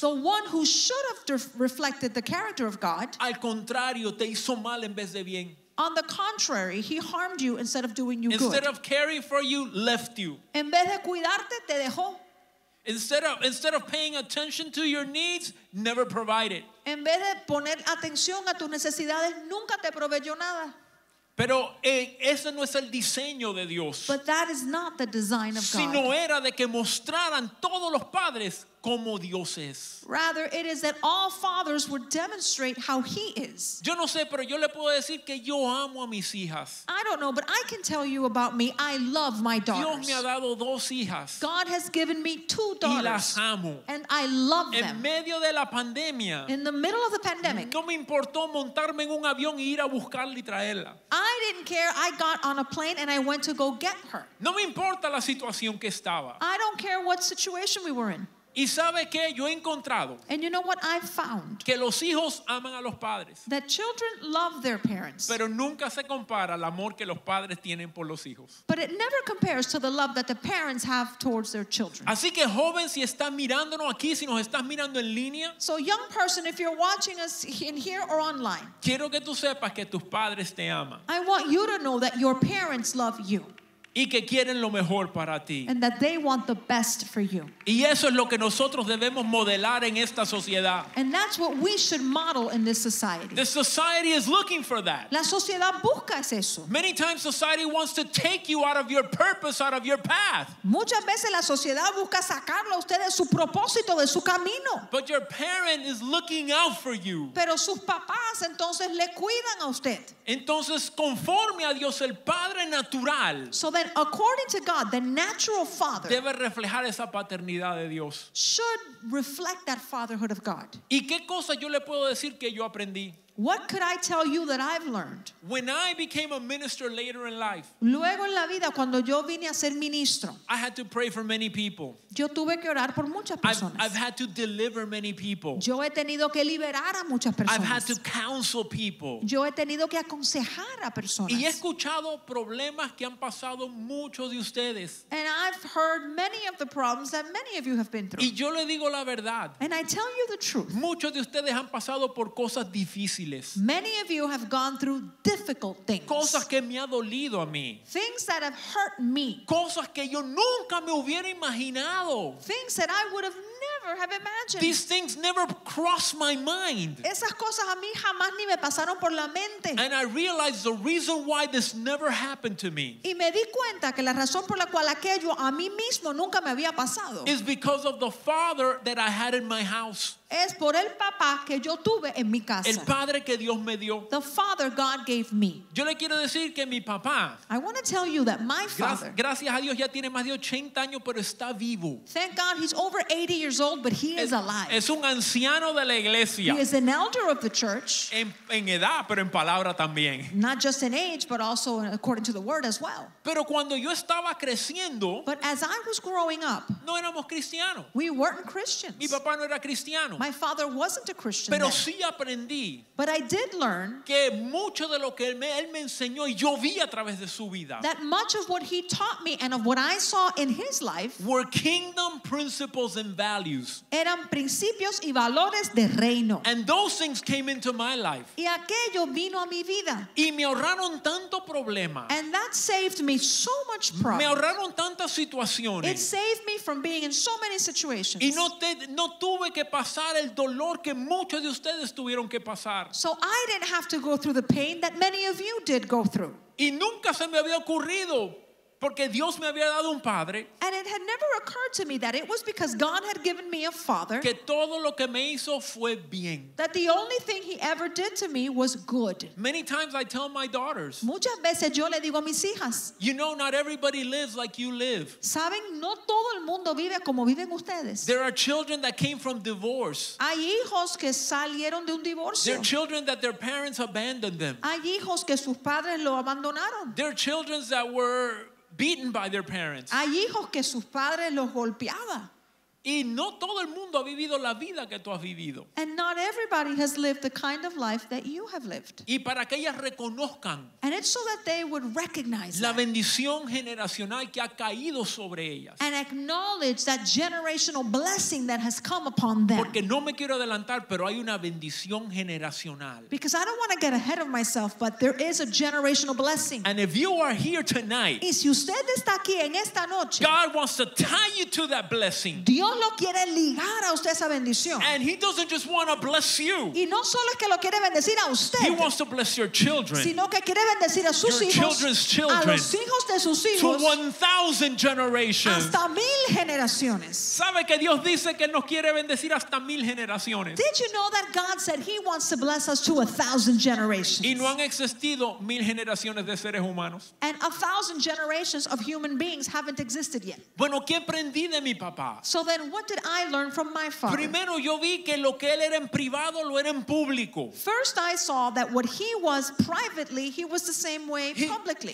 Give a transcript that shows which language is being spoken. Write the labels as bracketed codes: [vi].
[en] the one who should have reflected the character of God, [es] al contrario, te hizo mal en vez de bien. [en] On the contrary, he harmed you instead of doing you instead good. Instead of caring for you, left you. [es] En vez de cuidarte, te dejó. [en] Instead of paying attention to your needs, never provided. [es] En vez de poner atención a tus necesidades, nunca te proveyó nada. Pero ese no es el diseño de Dios. [en] But that is not the design of God. [es] Sino era de que mostraran todos los padres como Dios es. [en] Rather, it is that all fathers would demonstrate how he is. [es] Yo no sé, pero yo le puedo decir que yo amo a mis hijas. [en] I don't know, but I can tell you about me. I love my daughters. [es] Dios me ha dado dos hijas. [en] God has given me two daughters. [es] Y las amo. [en] And I love them. [es] En medio de la pandemia. [en] In the middle of the pandemic. [es] No me importó montarme en un avión y ir a buscarla y traerla. [en] I didn't care. I got on a plane and I went to go get her. [es] No me importa la situación que estaba. [en] I don't care what situation we were in. [es] Y sabe qué, yo he encontrado, [en] and you know what I've found, [es] que los hijos aman a los padres, [en] that children love their parents, [es] pero nunca se compara al amor que los padres tienen por los hijos. [en] But it never compares to the love that the parents have towards their children. [es] Así que joven, si estás mirándonos aquí, si nos estás mirando en línea, [en] so young person, if you're watching us in here or online, [es] quiero que tú sepas que tus padres te aman. [en] I want you to know that your parents love you. [es] Y que quieren lo mejor para ti. [en] And that they want the best for you. [es] Y eso es lo que nosotros debemos modelar en esta sociedad. [en] And that's what we should model in this society. The society is looking for that. [es] La sociedad busca eso. [en] Many times society wants to take you out of your purpose, out of your path. [es] Muchas veces la sociedad busca sacarlo a usted de su propósito, de su camino. [en] But your parent is looking out for you. [es] Pero sus papás entonces le cuidan a usted. Entonces, conforme a Dios, el Padre natural, [en] so that according to God, the natural father, [es] debe reflejar esa paternidad de Dios, [en] should reflect that fatherhood of God. [es] ¿Y qué cosa yo le puedo decir que yo aprendí? [en] What could I tell you that I've learned? When I became a minister later in life, [es] luego en la vida, cuando yo vine a ser ministro, [en] I had to pray for many people. [es] Yo tuve que orar por muchas personas. [en] I've had to deliver many people. [es] Yo he tenido que liberar a muchas personas. [en] I've had to counsel people. [es] Yo he tenido que aconsejar a personas. Y he escuchado problemas que han pasado muchos de ustedes. [en] And I've heard many of the problems that many of you have been through. [es] Y yo le digo la verdad. [en] And I tell you the truth. [es] Muchos de ustedes han pasado por cosas difíciles. [en] Many of you have gone through difficult things. [es] Cosas que me ha dolido a mí. [en] Things that have hurt me. [es] Cosas que yo nunca me hubiera imaginado. [en] Things that I would have never have imagined. These things never crossed my mind. [es] Esas cosas a mí jamás ni me pasaron por la mente. [en] And I realized the reason why this never happened to me. [es] Y me di cuenta que la razón por la cual aquello a mí mismo nunca me había pasado [en] is because of the father that I had in my house. [es] Es por el papá que yo tuve en mi casa. El padre que Dios me dio. [en] The father God gave me. [es] Yo le quiero decir que mi papá, [en] I want to tell you that my father, [es] gracias a Dios ya tiene más de 80 años, pero está vivo. [en] Thank God he's over 80 years old, but he is alive. [es] Es un anciano de la iglesia. [en] He is an elder of the church. [es] En edad, pero en palabra también. [en] Not just in age, but also according to the word as well. [es] Pero cuando yo estaba creciendo, [en] but as I was growing up, [es] no éramos cristianos. [en] We weren't Christians. [es] Mi papá no era cristiano. [en] My father wasn't a Christian. [es] Pero sí aprendí, [en] but I did learn [es] que mucho de lo que él me enseñó y yo vi a través de su vida, [en] that much of what he taught me and of what I saw in his life were kingdom principles and values. [es] Eran principios y valores de reino. [en] And those things came into my life. [es] Y aquello vino a mi vida. Y me ahorraron tanto problema. [en] And that saved me so much problem. [es] Me ahorraron tantas situaciones. [en] It saved me from being in so many situations. [es] Y no tuve que pasar el dolor que muchos de ustedes tuvieron que pasar. [en] So I didn't have to go through the pain that many of you did go through. [es] Y nunca se me había ocurrido, porque Dios me había dado un padre. [en] And it had never occurred to me that it was because God had given me a father. [es] Que todo lo que me hizo fue bien. [en] That the only thing he ever did to me was good. Many times I tell my daughters, [es] muchas veces yo le digo a mis hijas, [en] you know, not everybody lives like you live. [es] Saben, no todo el mundo vive como viven ustedes. [en] There are children that came from divorce. [es] Hay hijos que salieron de un divorcio. [en] There are children that their parents abandoned them. [es] Hay hijos que sus padres lo abandonaron. [en] There are children that were beaten by their parents. [es] Hay hijos que sus padres los golpeaba. Y no todo el mundo ha vivido la vida que tú has vivido. [en] And not everybody has lived the kind of life that you have lived. [es] Y para que ellas reconozcan. [en] And it's so that they would recognize [es] la bendición generacional que ha caído sobre ellas. [en] And acknowledge that generational blessing that has come upon them. [es] Porque no me quiero adelantar, pero hay una bendición generacional. [en] Because I don't want to get ahead of myself, but there is a generational blessing. And if you are here tonight, [es] y si usted está aquí en esta noche, [en] God wants to tie you to that blessing. [es] Dios lo quiere ligar a usted esa bendición. [en] And he doesn't just want to bless you. [es] Y no solo es que lo quiere bendecir a usted. [en] He wants to bless your children. [es] Sino que quiere bendecir a sus hijos. [en] Children's children. [es] A los hijos de sus hijos. [en] To 1,000 generations. [es] Hasta 1,000 generaciones. ¿Sabe que Dios dice que nos quiere bendecir hasta 1,000 generaciones? [en] Did you know that God said he wants to bless us to 1,000 generations? [es] Y no han existido 1,000 generaciones de seres humanos. [en] And 1,000 generations of human beings haven't existed yet. [es] Bueno, ¿qué aprendí de mi papá? [en] So then what did I learn from my father? [es] Primero yo vi que lo que él era en privado lo era en público. [en] First I saw that what he was privately, he was the same way publicly.